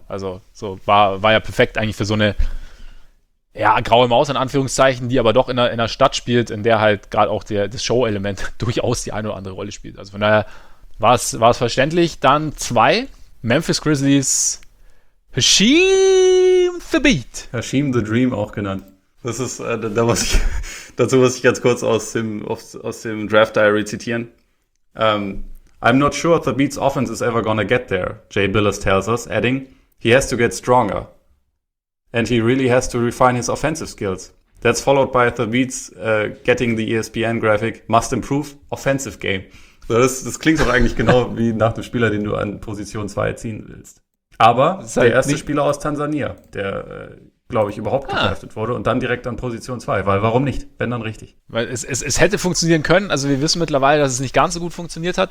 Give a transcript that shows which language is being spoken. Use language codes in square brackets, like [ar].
[de] Also so war ja perfekt eigentlich für so eine ja, graue Maus in Anführungszeichen, die aber doch in einer Stadt spielt, in der halt gerade auch das Show-Element durchaus die eine oder andere Rolle spielt. Also von daher war es verständlich. Dann zwei Memphis Grizzlies, Hasheem the Beat. Hasheem the Dream auch genannt. Das ist, dazu muss ich ganz kurz aus dem Draft Diary zitieren. [en] I'm not sure if the Beat's offense is ever gonna get there, Jay Billis tells us, adding, he has to get stronger. And he really has to refine his offensive skills. That's followed by the Beats getting the ESPN graphic, must improve offensive game. [de] So das klingt doch eigentlich genau wie nach dem Spieler, den du an Position 2 ziehen willst. Aber der erste Spieler aus Tansania, der, glaube ich, überhaupt gedraftet wurde und dann direkt an Position 2. Weil warum nicht? Wenn dann richtig. Weil es hätte funktionieren können. Also wir wissen mittlerweile, dass es nicht ganz so gut funktioniert hat.